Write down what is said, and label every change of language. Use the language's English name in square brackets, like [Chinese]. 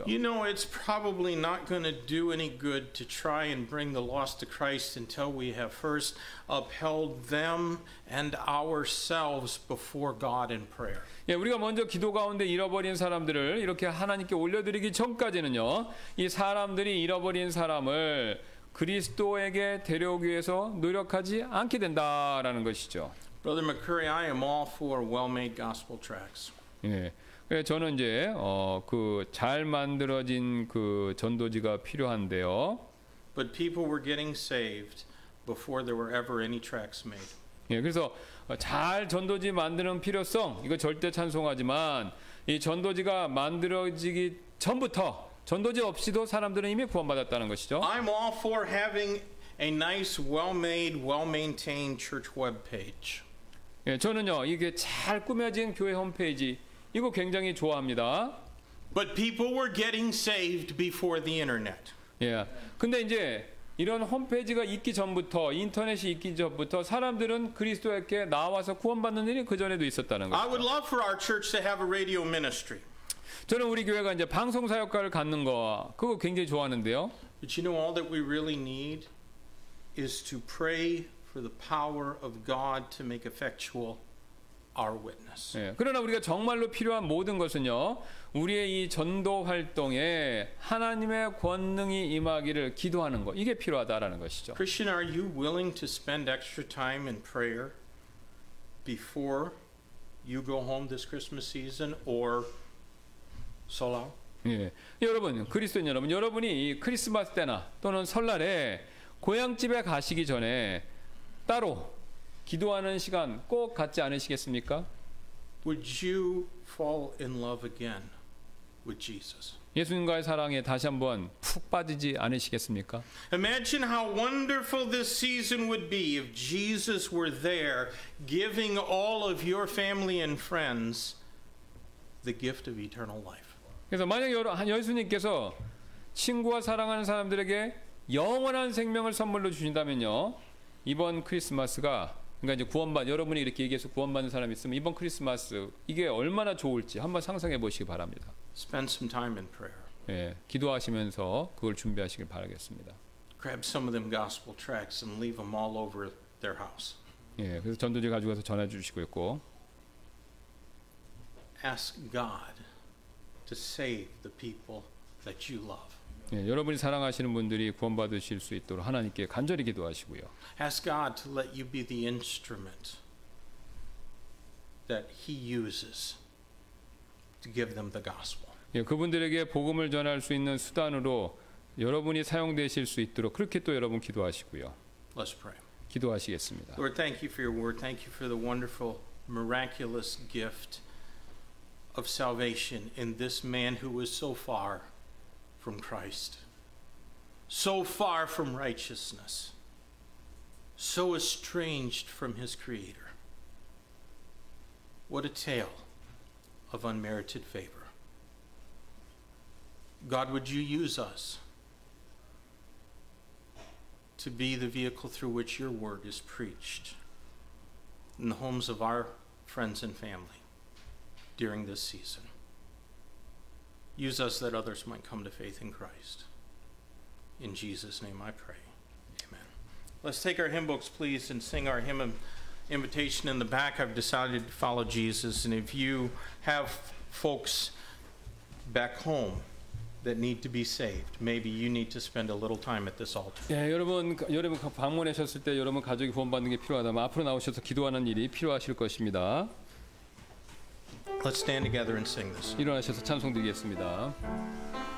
[English] You know, it's probably not going to do any good to try and bring the lost to Christ until we have first upheld them and ourselves before God in prayer. [Korean] 예, 우리가 먼저 기도 가운데 잃어버린 사람들을 이렇게 하나님께 올려드리기 전까지는요, 이 사람들이 잃어버린 사람을 그리스도에게 데려오기 위해서 노력하지 않게 된다라는 것이죠. [English] Brother McCurry, I am all for well-made gospel tracts. [Korean] 예, 저는 이제 그 잘 만들어진 그 전도지가 필요한데요. [English] But people were getting saved before there were ever any tracts made. [Korean] 예, 그래서 잘 전도지 만드는 필요성 이거 절대 찬송하지만 이 전도지가 만들어지기 전부터 전도지 없이도 사람들은 이미 구원받았다는 것이죠. [English] I'm all for having a nice, well-made, well-maintained church webpage. [Korean] 예, 저는요 이게 잘 꾸며진 교회 홈페이지 이거 굉장히 좋아합니다. [English] But people were getting saved before the internet. [Korean] 예, 근데 이제 이런 홈페이지가 있기 전부터 인터넷이 있기 전부터 사람들은 그리스도에게 나와서 구원받는 일이 그 전에도 있었다는 거죠. [English] I would love for our church to have a radio ministry. [Korean] 저는 우리 교회가 이제 방송 사역과를 갖는 거 그거 굉장히 좋아하는데요. [English] But you know all that we really need is to pray for the power of God to make effectual our witness. [Korean] 예, 그러나 우리가 정말로 필요한 모든 것은요. 우리의 이 전도 활동에 하나님의 권능이 임하기를 기도하는 거. 이게 필요하다라는 것이죠. [English] Christian, are you willing to spend extra time in prayer before you go home this Christmas season or Solo. [Korean] 예, 여러분 그리스도인 여러분 여러분이 크리스마스 때나 또는 설날에 고향집에 가시기 전에 따로 기도하는 시간 꼭 갖지 않으시겠습니까? [English] Would you fall in love again with Jesus? [Korean] 예수님과의 사랑에 다시 한번 푹 빠지지 않으시겠습니까? [English] Imagine how wonderful this season would be if Jesus were there giving all of your family and friends the gift of eternal life. [Korean] 그래서 만약 예수님께서 친구와 사랑하는 사람들에게 영원한 생명을 선물로 주신다면요. 이번 크리스마스가 그러니까 이제 여러분이 이렇게 얘기해서 구원받는 사람이 있으면 이번 크리스마스 이게 얼마나 좋을지 한번 상상해 보시기 바랍니다. [English] Spend some time in prayer. [Korean] 예. 기도하시면서 그걸 준비하시길 바라겠습니다. [English] Grab some of them gospel tracts and leave them all over their house. [Korean] 예. 그래서 전도지 가져가서 전해 주시고 있고 [English] Ask God to save the people that you love. [Korean] 예, 여러분이 사랑하시는 분들이 구원받으실 수 있도록 하나님께 간절히 기도하시고요. [English] Ask God to let you be the instrument that he uses to give them the gospel. [Korean] 예, 그분들에게 복음을 전할 수 있는 수단으로 여러분이 사용되실 수 있도록 그렇게 또 여러분 기도하시고요. [English] Let's pray. [Korean] 기도하시겠습니다. [English] Lord, thank you for your word. Thank you for the wonderful miraculous gift of salvation in this man who was so far from Christ, so far from righteousness, so estranged from his Creator. What a tale of unmerited favor. God, would you use us to be the vehicle through which your word is preached in the homes of our friends and family during this season. Use us that others might come to faith in Christ. In Jesus' name I pray. Amen. Let's take our hymn books, please, and sing our hymn of invitation in the back. I've decided to follow Jesus. And if you have folks back home that need to be saved, maybe you need to spend a little time at this altar. [Korean] 예, 여러분 방문하셨을 때 여러분 가족이 구원받는 게 필요하다면 앞으로 나오셔서 기도하는 일이 필요하실 것입니다. [English] Let's stand together and sing this. [Korean] 일어나셔서 찬송 드리겠습니다.